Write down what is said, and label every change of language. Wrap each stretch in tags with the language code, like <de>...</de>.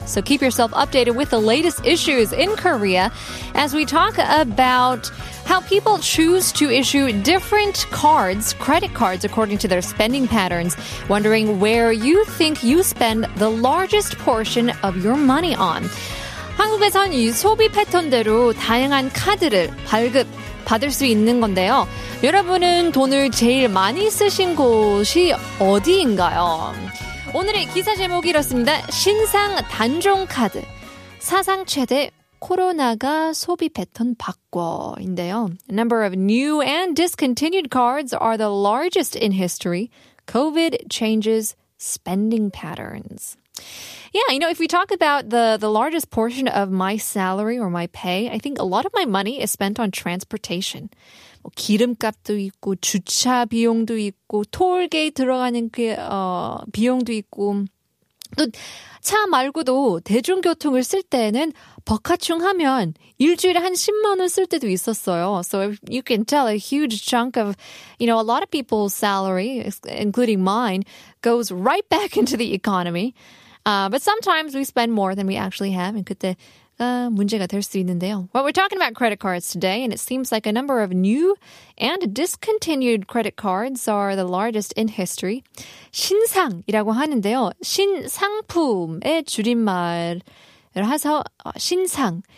<en>So keep yourself updated with the latest issues in Korea as we talk about how people choose to issue different cards, credit cards, according to their spending patterns. Wondering where you think you spend the largest portion of your money on.</en> <ko>한국에선 이 소비 패턴대로 다양한 카드를 발급 받을 수 있는 건데요. 여러분은 돈을 제일 많이 쓰신 곳이 어디인가요? 오늘의 기사 제목이 이렇습니다. 신상 단종 카드. 사상 최대 코로나가 소비 패턴 바꿔인데요.</ko> <en>A number of new and discontinued cards are the largest in history. COVID changes spending patterns. Yeah, you know, if we talk about the largest portion of my salary or my pay, I think a lot of my money is spent on transportation.</en> <ko>뭐 기름값도 있고 주차 비용도 있고 톨게이트 들어가는 게 비용도 있고 또 차 말고도 대중교통을 쓸 때는 버카충 하면 일주일에 한 10만 원 쓸 때도 있었어요.</ko> <en>So you can tell a huge chunk of, you know, a lot of people's salary, including mine, goes right back into the economy. But sometimes we spend more than we actually have, and</en> <ko>그때 문제가 될 수 있는데요.</ko> <en>Well, we're talking about credit cards today, and it seems like a number of new and discontinued credit cards are the largest in history.</en> <ko>신상이라고 하는데요. 신상품의 줄임말을 해서 신상.</ko>